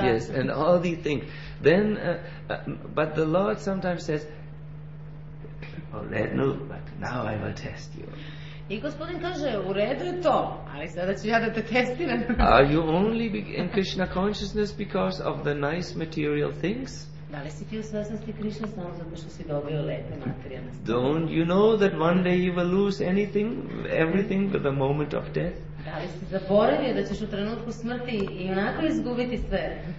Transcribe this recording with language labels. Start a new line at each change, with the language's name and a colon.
English: Yes, and all these things. Then, but the Lord sometimes says, "Oh, let no, but now I will test you."
Serbian: I gospodin kaže, u redu je to, ali sada ću ja da te testiram.
English: Are you only in Krishna consciousness because of the nice material things?
Serbian: Da li si ti u svesnosti Krishna samo zato što si dobio lepe materijalne stvari?
English: Don't you know that one day you will lose anything, everything, with the moment of death?
Serbian: Ali si zaboravio da ćeš u trenutku smrti i onako izgubiti sve.